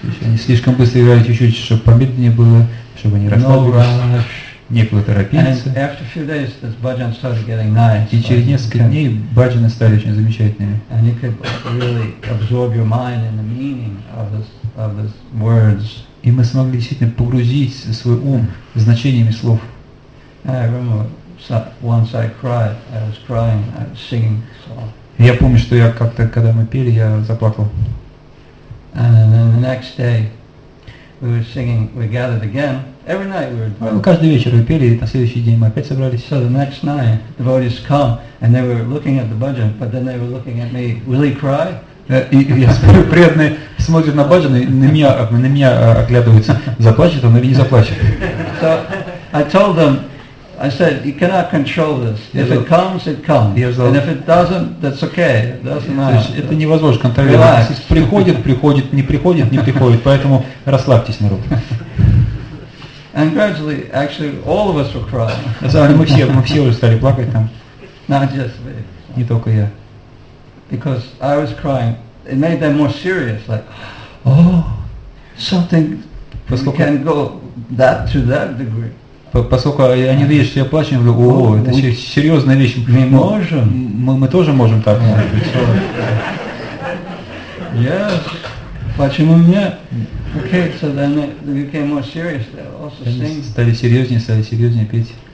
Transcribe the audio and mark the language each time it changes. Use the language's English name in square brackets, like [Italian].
[Russian] Они слишком быстро играли, чуть-чуть, чтобы помедленнее было, чтобы не расслабились. Некуда торопиться. [English] And after a few days, this bhajan started getting nice. [Russian] И через несколько дней bhajan стали очень замечательными. [English] And you could really absorb your mind in the meaning of this words. [Russian] И мы смогли действительно погрузить свой ум значениями слов. [English] I remember once I cried. I was crying. I was singing. So. [Russian] Я помню, что я как-то, когда мы пели, я заплакал. [English] And then the next day, we were singing. We gathered again. Every night we were. [Russian] Ну, каждый вечер мы пели, и на следующий день мы опять собрались. [English] So the next night, the devotees come, and they were looking at the bhajan, but then they were looking at me. Will he cry? [Russian] И я смотрю, преданные смотрят на bhajan, и на меня оглядываются. Заплачет он или не заплачет? [English] So I told them. I said, you cannot control this. If it comes, it comes. And if it doesn't, that's okay. [Russian] Это невозможно контролировать. Приходит, приходит, не приходит, не приходит. Поэтому расслабьтесь, народ. [English] And gradually, actually, all of us were crying. [Russian] Мы все уже стали плакать там. [English] Not just me. [Russian] Не только я. [English] Because I was crying. It made them more serious. Like, oh, something can go that to that degree. [Russian] Поскольку они видят, что я плачу, я говорю, о, это серьезная вещь. Мы можем? Мы тоже можем так, может быть. [English] Yes. [Russian] Почему нет? [English] Okay, so then they became more serious. They also sing. [Russian] Стали серьезнее петь.